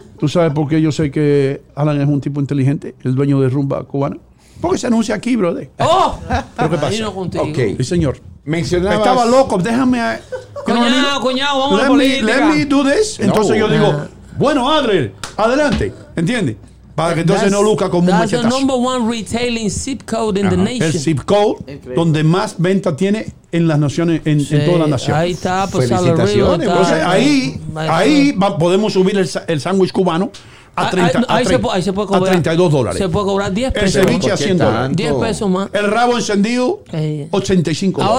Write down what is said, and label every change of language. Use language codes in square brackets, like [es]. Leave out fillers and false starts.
[es] ¿Tú sabes por qué yo sé que Alan es un tipo inteligente, el dueño de Rumba Cubana? Porque se anuncia aquí, brother. ¿Pero qué pasa? Okay. Sí, señor. Mencionabas... Estaba loco, déjame... Cuñado, vamos a política. [en] Let me do this. [es] Entonces yo digo, bueno, Adler, adelante, ¿entiendes? Para que entonces no luzca como un machetazo. [en] That's the number one retailing zip code in the nation. [es] El zip code, increíble. Donde más venta tiene en las naciones, en toda la nación. Ahí está, pues, felicitaciones. Ahí podemos subir el sándwich cubano a 32 dólares. Se puede cobrar 10 pesos. El ceviche a 100 dólares. 10 pesos más. El rabo encendido, 85 dólares.